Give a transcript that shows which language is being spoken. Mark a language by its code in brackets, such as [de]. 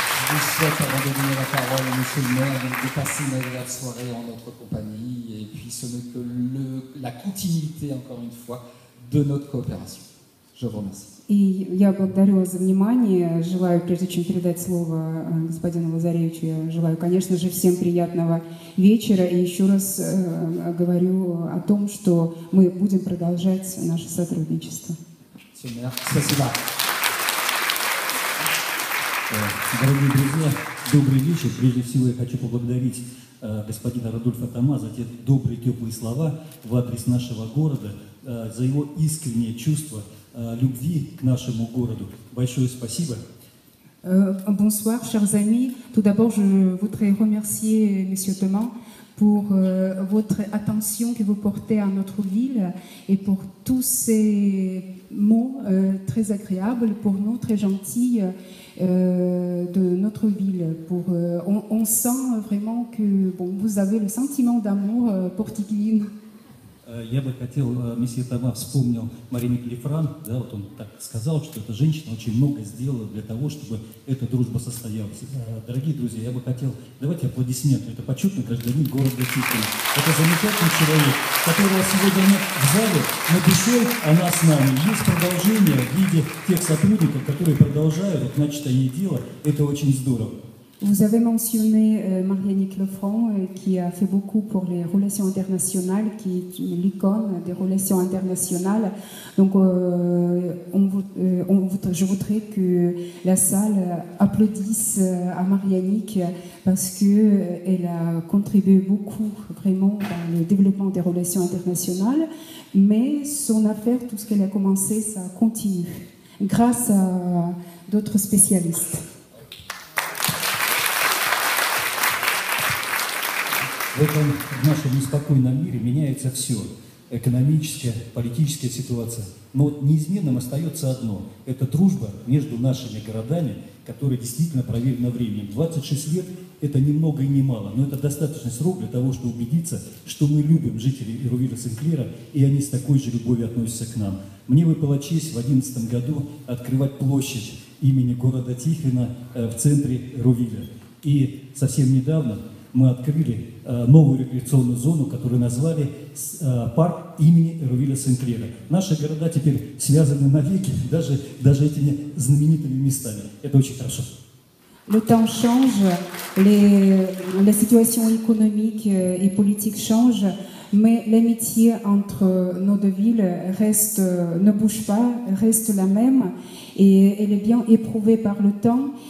[fr] Je vous souhaite, avant de donner la parole à Monsieur le maire, de passer une agréable soirée en notre compagnie. Et puis ce n'est que la continuité, encore une fois, de notre coopération. Je vous remercie. [ru] И я благодарю вас за внимание. Желаю, прежде чем передать слово господину Лазаревичу, я желаю, конечно же, всем приятного вечера. И еще раз говорю о том, что мы будем продолжать наше сотрудничество. Спасибо. Дорогие друзья, добрый вечер. Прежде всего я хочу поблагодарить господина Радульфа Тома за те добрые, теплые слова в адрес нашего города, за его искреннее чувство любви к нашему городу. Большое спасибо. [fr] Bonsoir, chers amis. Tout d'abord, je voudrais remercier monsieur Thomas pour votre attention que vous portez à notre ville et pour tous ces mots très agréables pour nous, très gentils de notre ville. Pour, on sent vraiment que bon, vous avez le sentiment d'amour pour Tiklin. [ru] Я бы хотел, месье Тома вспомнил Марину Клифран, да, вот он так сказал, что эта женщина очень много сделала для того, чтобы эта дружба состоялась. Дорогие друзья, я бы хотел, давайте аплодисменты, это почетный гражданин города Тиклин. Это замечательный человек, которого сегодня нет в зале, но пришел она с нами. Есть продолжение в виде тех сотрудников, которые продолжают, вот, начатое ей дело, это очень здорово. [fr] Vous avez mentionné Marie-Annick Lefranc, qui a fait beaucoup pour les relations internationales, qui est une icône des relations internationales. Donc, je voudrais que la salle applaudisse à Marie-Annick, parce qu'elle a contribué beaucoup, vraiment, dans le développement des relations internationales. Mais son affaire, tout ce qu'elle a commencé, ça continue, grâce à d'autres spécialistes. [ru] В этом нашем неспокойном мире меняется все. Экономическая, политическая ситуация. Но вот неизменным остается одно. Это дружба между нашими городами, которая действительно проверена временем. 26 лет – это ни много и ни мало. Но это достаточный срок для того, чтобы убедиться, что мы любим жителей Ирувира Синклера, и они с такой же любовью относятся к нам. Мне выпала честь в 2011 году открывать площадь имени города Тихвина в центре Ирувира. И совсем недавно мы открыли новую рекреационную зону, которую назвали парк имени Эрувиля Синклера. Наши города теперь связаны навеки даже этими знаменитыми местами. Это очень хорошо. [fr] Le temps change, la situation économique et politique change, mais l'amitié entre nos deux villes reste, ne bouge pas, reste la même, et elle est bien éprouvée par le temps.